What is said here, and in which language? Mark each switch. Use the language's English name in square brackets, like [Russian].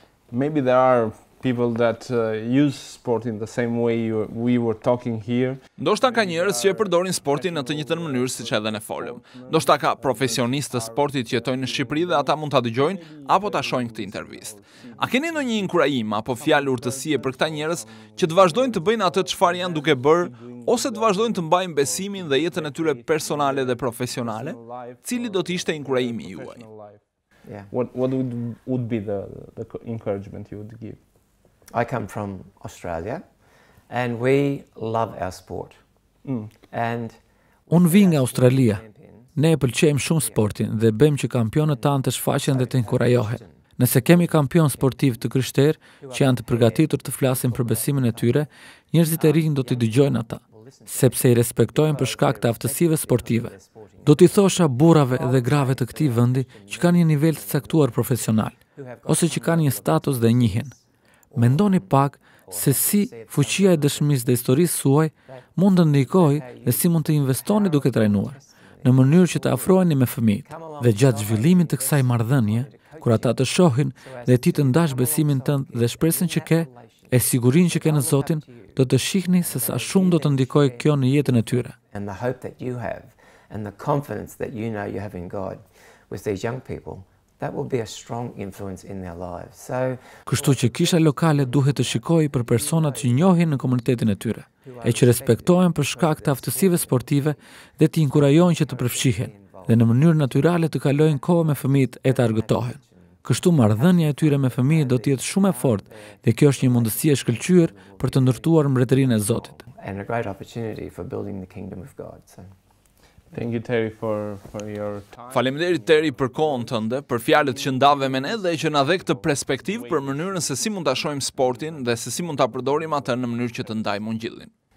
[English] Maybe there are people that use sport in the same way we were talking here. [Albanian] Ndoshta ka njerëz që e përdorin sportin në të njëjtën mënyrë siç edhe ne folëm. Ndoshta ka profesionistë të sportit që jetojnë në Shqipëri dhe ata mund ta dëgjojnë apo ta shohin këtë intervistë. A keni ndonjë inkurajim apo fjalë urtësie për këta njerëz që të vazhdojnë të bëjnë atë çfarë janë duke bërë ose të vazhdojnë të mbajnë besimin dhe jetën e tyre personale dhe profesionale? Cili do të ishte inkurajimi juaj? [English] What would be the encouragement you would give? I come from Australia and we love our sport. [Albanian] And un vi nga Australia. Ne e pëlqejmë shumë sportin dhe bëjmë që kampionët tanë të shfaqen dhe të inkurajohen. Nëse kemi kampion sportiv të krishter që janë të përgatitur të flasin për besimin e tyre, njerëzit e rinj do t'i dëgjojnë ata, sepse i respektojnë për shkak të aftësive sportive. Do t'i thosha burrave dhe grave të këtij vendi që kanë një nivel të caktuar profesional ose që kanë një status dhe njihen. Mendoni pak se si fuqia e dëshmisë dhe historisë suaj mund të ndikojë dhe si mund të investoni duke trajnuar, në mënyrë që të afroheni me fëmijët. Dhe gjatë zhvillimit të kësaj marrëdhënie, kur ata të shohin dhe ti të ndash besimin tënd dhe shpresën që ke, e sigurinë që ke në Zotin, do të shihni se sa shumë do të ndikojë kjo në jetën e tyre. [English] And the hope that you have and the confidence that you know you have in God with these young people, that will be a strong influence in their lives. So, [Albanian] kështu që kisha lokale duhet të shikojë për personat që njohin në komunitetin e tyre, e që respektohen për shkak të aftësive sportive dhe të inkurajojnë që të përfshihen dhe në mënyrë natyrale të kalojnë kohë me fëmijët e të argëtohen. Kështu marrëdhënia e tyre me fëmijët do të jetë shumë e fortë dhe kjo është një mundësi e shkëlqyer për të ndërtuar mbretërinë e Zotit. [English] And a great opportunity for building the kingdom of God. So, thank you Terry for your time. [Albanian] Faleminderit Terry për kohën tënde, për fjalët që ndave me ne dhe që na dhe këtë perspektivë për mënyrën se si mund ta shohim sportin dhe se si mund ta përdorim atë në mënyrë që të ndajmë ungjillin.